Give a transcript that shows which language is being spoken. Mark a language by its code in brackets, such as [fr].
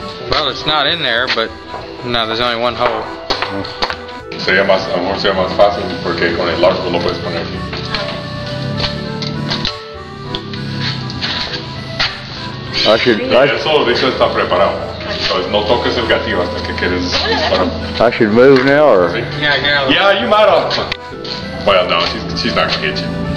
[en] Well, it's not in there, but no, there's only one hole. [es] Sería más, a lo mejor sería más fácil porque con el largo lo puedes poner aquí. Eso dice está preparado. No toques el gatillo hasta que quedes disparado. [en] I should move now, or... Yeah, you might have. Well, no, she's not going to hit you.